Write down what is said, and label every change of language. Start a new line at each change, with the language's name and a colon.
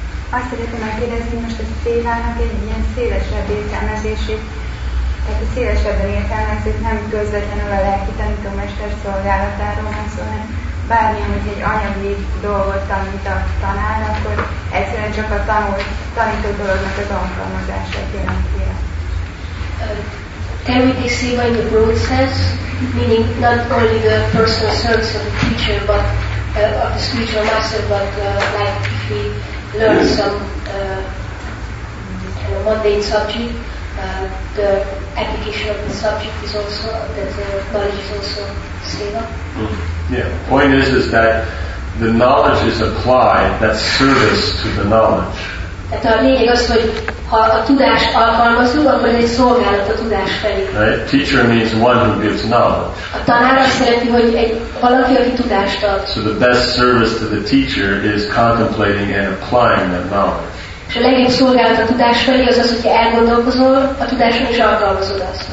Hungarian: Azt szeretném megkérdezni, most a szélesebb értelmezését, tehát a szélesebben értelmezőt nem közvetlenül a lelki tanítómester szolgálatáról van szó, hanem bármilyen, hogy egy anyagi dolgot tanít a tanár, akkor egyszerűen csak a tanító dolognak az alkalmazását jelenti.
English: Everything Seva in the broad sense, meaning not only the personal service of the teacher, but of the spiritual master, but like if we learn some kind of mundane subject, the application of the subject is also, that the knowledge is also Seva. Mm. Yeah, point is that the knowledge is applied, that's service to the knowledge.
Hungarian: Tehát a lényeg az, hogy ha a tudást alkalmazunk, akkor ez egy szolgálat a tudás felé.
English: Right? Teacher means one who gives knowledge.
Hungarian: A tanár azt szereti, hogy egy valaki, aki tudást ad.
English: So the best service to the teacher is contemplating and applying that knowledge.
Hungarian: És a legjobb szolgálat a tudás felé az az, hogyha elgondolkozol a tudáson és alkalmazod azt.